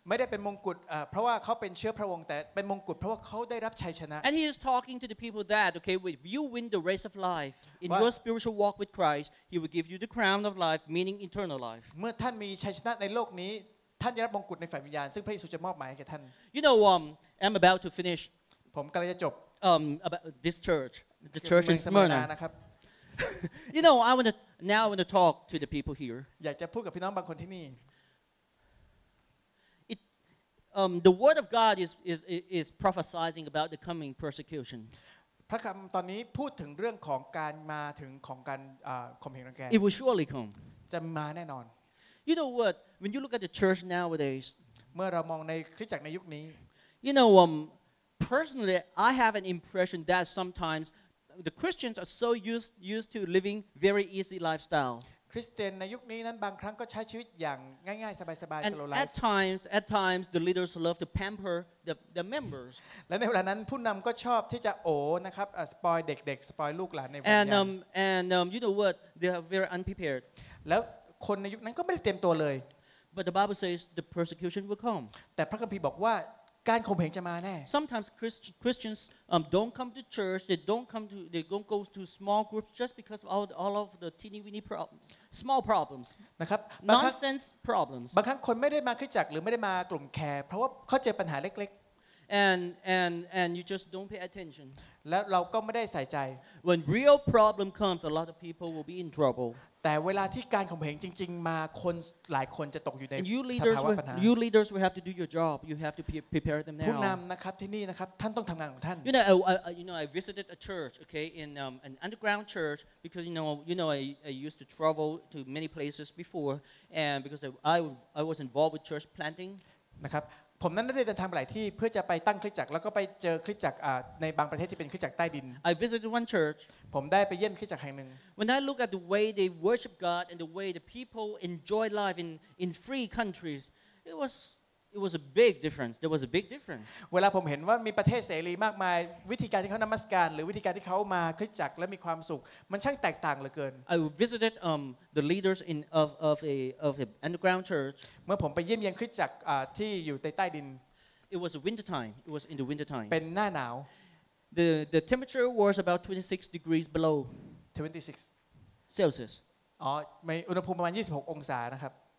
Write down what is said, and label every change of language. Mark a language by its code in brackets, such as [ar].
[th] ไม่ได้เป็นมงกุฎเพราะว่าเขาเป็นเชื้อพระวงศ์แต่เป็นมงกุฎเพราะว่าเขาได้รับชัยชนะ [en] And he is talking to the people that okay if you win the race of life in your spiritual walk with Christ he will give you the crown of life meaning eternal life [th] เมื่อท่านมีชัยชนะในโลกนี้ท่านจะรับมงกุฎในฝ่ายวิญญาณซึ่งพระเยซูจะมอบหมายให้แก่ท่าน [en] You know I'm about to finish [th] ผมกําลังจะจบ [en] about this church the church in Smyrna [th] นะครับ [en] You know I want to talk to the people here [th] อยากจะพูดกับพี่น้องบางคนที่นี่ [en] The word of God is prophesying about the coming persecution. [th] พระคัมภีร์ตอนนี้พูดถึงเรื่องของการมาถึงของการข่มเหงรังแก [en] It will surely come. [th] จะมาแน่นอน [en] You know what? When you look at the church nowadays, [th] เมื่อเรามองในคริสตจักรในยุคนี้ [en] You know, personally, I have an impression that sometimes the Christians are so used to living very easy lifestyle. [th] คริสเตียนในยุคนี้นั้นบางครั้งก็ใช้ชีวิตอย่างง่ายๆสบายๆ [en] slow life at times the leaders love to pamper the members [th] และในเวลานั้นผู้นำก็ชอบที่จะโอ๋นะครับสปอยเด็กๆสปอยลูกหลานในวัน นั้น [en] and you know what they are very unprepared [th] แล้วคนในยุคนั้นก็ไม่ได้เตรียมตัวเลย [en] but the Bible says the persecution will come [th] แต่พระคัมภีร์บอกว่าการข่มเหงจะมาแน่ [en] sometimes Christians don't come to church they don't go to small groups just because of all of the teeny weeny problems small problems [th] นะครับ [en] nonsense problems [th] บางครั้งคนไม่ได้มาคริสตจักรหรือไม่ได้มากลุ่มแคร์เพราะว่าเขาเจอปัญหาเล็ก [en] ๆ and you just don't pay attention [th] และเราก็ไม่ได้ใส่ใจ [en] When real problem comes a lot of people will be in trouble [th] แต่เวลาที่การข่มเหงจริงๆมาคนหลายคนจะตกอยู่ในสภาวะปัญหา [en] You leaders will have to do your job. You have to prepare them now. [th] ผู้นำนะครับที่นี่นะครับท่านต้องทำงานของท่าน [en] You know, I visited a church, okay, in an underground church because you know I used to travel to many places before and because I was involved with church planting. [th] นะครับผมนั้นได้เดินทางไปหลายที่เพื่อจะไปตั้งคริสตจักรแล้วก็ไปเจอคริสตจักรในบางประเทศที่เป็นคริสตจักรใต้ดิน [en] I visited one church [th] ผมได้ไปเยี่ยมคริสตจักรแห่งหนึ่ง [en] When I look at the way they worship God and the way the people enjoy life in free countries it was a big difference there was a big difference [th] เวลาผมเห็นว่ามีประเทศเสรีมากมายวิธีการที่เขานมัสการหรือวิธีการที่เขามาคริสตจักรและมีความสุขมันช่างแตกต่างเหลือเกิน [en] I visited the leaders in of a underground church [th] เมื่อผมไปเยี่ยมเยียนคริสตจักรที่อยู่ใต้ดิน [en] It was a winter time it was in the winter time [th] เป็นหน้าหนาว [en] the temperature was about 26 degrees below 26 Celsius [th] อ๋ออุณหภูมิประมาณ26องศานะครับ